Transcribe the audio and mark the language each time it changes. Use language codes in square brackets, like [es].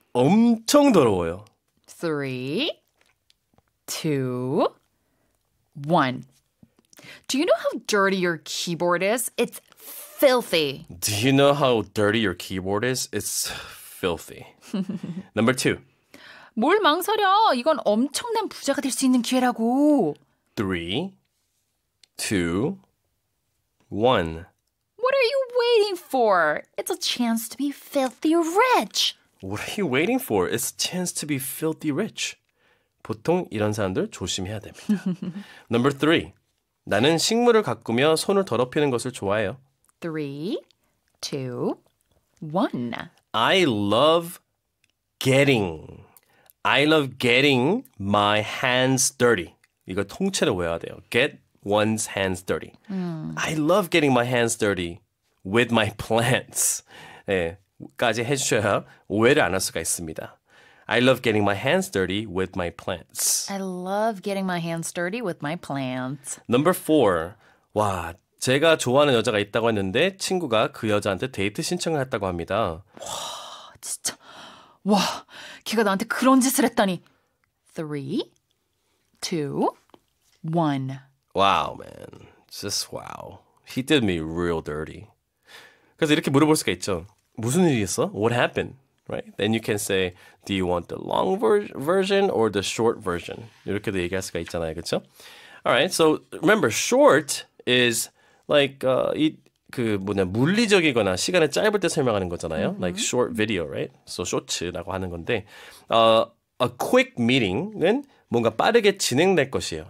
[ko] 엄청 더러워요. [en] Three, two, one. Do you know how dirty your keyboard is? It's filthy. Do you know how dirty your keyboard is? It's filthy. Number two. [ko] 뭘 망설여? 이건 엄청난 부자가 될 수 있는 기회라고. [en] Three, two, one. What are you waiting for? It's a chance to be filthy rich. What are you waiting for? It's a chance to be filthy rich. [ko] 보통 이런 사람들 조심해야 됩니다. [en] Number three. [ko] 나는 식물을 가꾸며 손을 더럽히는 것을 좋아해요. [en] Three, two, one. I love getting. I love getting my hands dirty. [ko] 이거 통째로 외워야 돼요. [en] Get one's hands dirty. I love getting my hands dirty with my plants. [ko] 네, 까지 해주셔야 오해를 안 할 수가 있습니다. [en] I love getting my hands dirty with my plants. I love getting my hands dirty with my plants. Number four. [ko] 와, 제가 좋아하는 여자가 있다고 했는데 친구가 그 여자한테 데이트 신청을 했다고 합니다. 와, 진짜. 와, 걔가 나한테 그런 짓을 했다니. [en] Three, two, one. Wow, man. Just wow. He did me real dirty. [ko] 그래서 이렇게 물어볼 수가 있죠. 무슨 일이 있어? [en] What happened? Right? Then you can say, do you want the long version or the short version? [ko] 이렇게도 얘기할 수가 있잖아요, 그쵸? [en] Alright, so remember, short is like, [ko] 그 뭐냐, 물리적이거나 시간을 짧을 때 설명하는 거잖아요. Mm-hmm. [en] Like short video, right? So short라고 하는 건데, a quick meeting은 [ko] 뭔가 빠르게 진행될 것이에요.